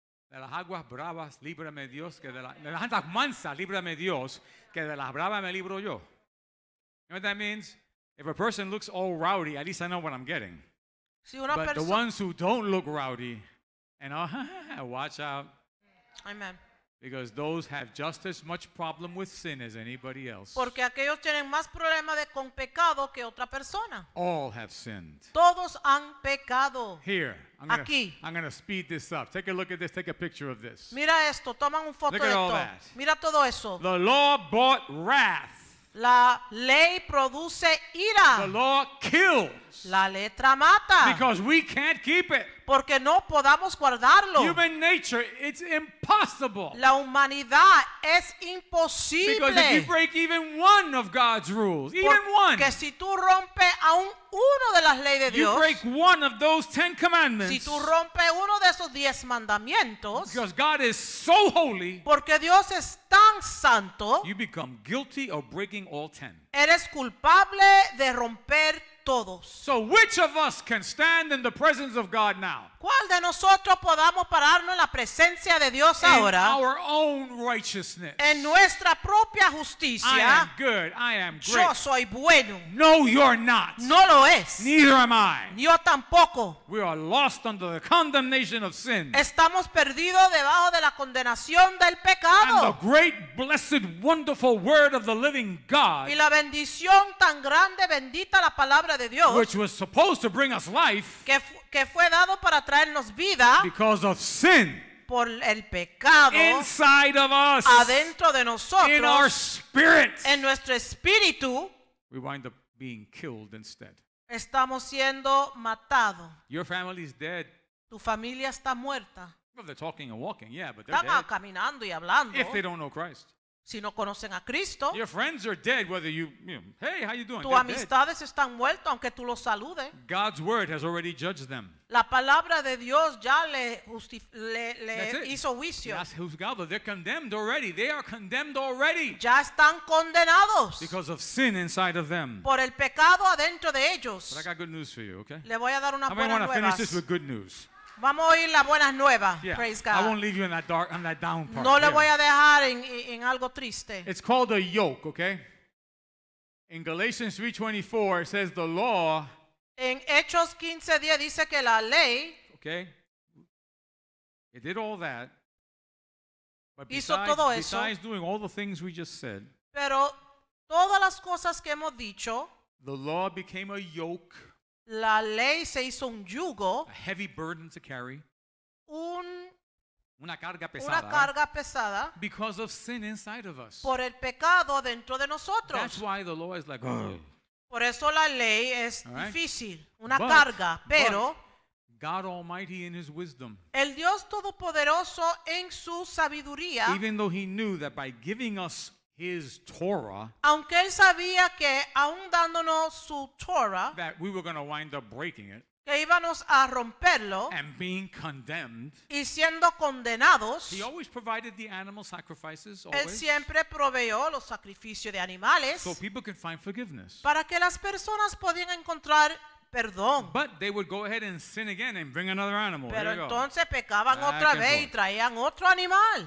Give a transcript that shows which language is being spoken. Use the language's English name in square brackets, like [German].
[Spanish] De las aguas bravas, líbrame Dios, que de las aguas mansas, líbrame Dios, que de las bravas me libro yo. [English] You know what that means? If a person looks all rowdy, at least I know what I'm getting. [Spanish] Si una [English] But the ones who don't look rowdy, And oh, watch out. Amen. Because those have just as much problem with sin as anybody else. [Spanish] Porque aquellos tienen más problema de con pecado que otra persona. [English] All have sinned. [Spanish] Todos han pecado. [English] Here. [Spanish] Aquí. [English] I'm going to speed this up. Take a look at this. Take a picture of this. [Spanish] Mira esto. Toma un foto de esto. [English] Look at all that. [Spanish] Mira todo eso. [English] The law brought wrath. [Spanish] La ley produce ira. [English] The law kills. [Spanish] La letra mata. [English] Because we can't keep it. [Spanish] Porque no podamos guardarlo. [English] Human nature, it's impossible. [Spanish] La humanidad es imposible. [English] Because if you break even one of God's rules, even one. [Spanish] Que si tú rompes aún uno de las leyes de Dios. [English] You break one of those 10 commandments. [Spanish] Si tú rompes uno de esos 10 mandamientos. [English] Because God is so holy. [Spanish] Porque Dios es tan santo. [English] You become guilty of breaking all 10. [Spanish] Eres culpable de romper todos. [English] So which of us can stand in the presence of God now? [Spanish] ¿Cuál de nosotros podamos pararnos en la presencia de Dios ahora? [English] In our own righteousness. [Spanish] En nuestra propia justicia. [English] I am good. I am great. [Spanish] Yo soy bueno. [English] No, you're not. [Spanish] No lo es. [English] Neither am I. [Spanish] Yo tampoco. [English] We are lost under the condemnation of sin. [Spanish] Estamos perdidos debajo de la condenación del pecado. [English] And the great, blessed, wonderful word of the living God. [Spanish] Y la bendición tan grande, bendita la palabra de Dios. [English] Which was supposed to bring us life. [Spanish] Que fue dado para traernos vida. [English] Because of sin. [Spanish] Por el pecado. [English] Inside of us. [Spanish] Adentro de nosotros. [English] In our spirit. [Spanish] En nuestro espíritu. [English] We wind up being killed instead. [Spanish] Estamos siendo matados. [English] Your family is dead. [Spanish] Tu familia está muerta. [English] Well, they're talking and walking, yeah, but they're [Spanish] están [English] dead. [Spanish] Caminando y hablando. [English] If they don't know Christ. [Spanish] Si no conocen a Cristo. [English] Your friends are dead, whether you know, hey, how you doing? [Spanish] Tus amistades [English] dead. [Spanish] Están muertas, aunque tú los saludes. [English] God's word has already judged them. [Spanish] La palabra de Dios ya le hizo juicio. [English] That's who's God, they're condemned already. They are condemned already. [Spanish] Ya están condenados. [English] Because of sin inside of them. [Spanish] Por el pecado adentro de ellos. [English] But I got good news for you, okay? [Spanish] Le voy a dar una buena nueva. [English] I want to finish this with good news. [Spanish] Vamos a oír las buenas nuevas. [English] Yeah. Praise God. I won't leave you in that dark, in that down part. [Spanish] No le voy a dejar en algo triste. [English] It's called a yoke, okay? In Galatians 3:24, it says the law. [Spanish] En Hechos 15:10 dice que la ley. [English] Okay. It did all that. But [Spanish] hizo todo eso. [English] Besides doing all the things we just said. [Spanish] Pero todas las cosas que hemos dicho. [English] The law became a yoke. [Spanish] La ley se hizo un yugo. [English] A heavy burden to carry. [Spanish] Una carga pesada. Una carga pesada. [English] Because of sin inside of us. [Spanish] Por el pecado dentro de nosotros. [English] That's why the law is like, oh. [Spanish] Por eso la ley es [English] right? [Spanish] Difícil. Una carga. Pero. [English] God Almighty in His wisdom. [Spanish] El Dios Todopoderoso en su sabiduría. [English] Even though He knew that by giving us His Torah. [Spanish] Aunque él sabía que aun dándonos su Torah. [English] That we were going to wind up breaking it. [Spanish] Que íbamos a romperlo. [English] And being condemned. [Spanish] Y siendo condenados. [English] He always provided the animal sacrifices. Always. [Spanish] Él siempre proveyó los sacrificios de animales. [English] So people could find forgiveness. [Spanish] Para que las personas podían encontrar perdón. [English] But they would go ahead and sin again and bring another animal. [Spanish] Pero [English] there [Spanish] entonces pecaban otra vez y traían otro animal.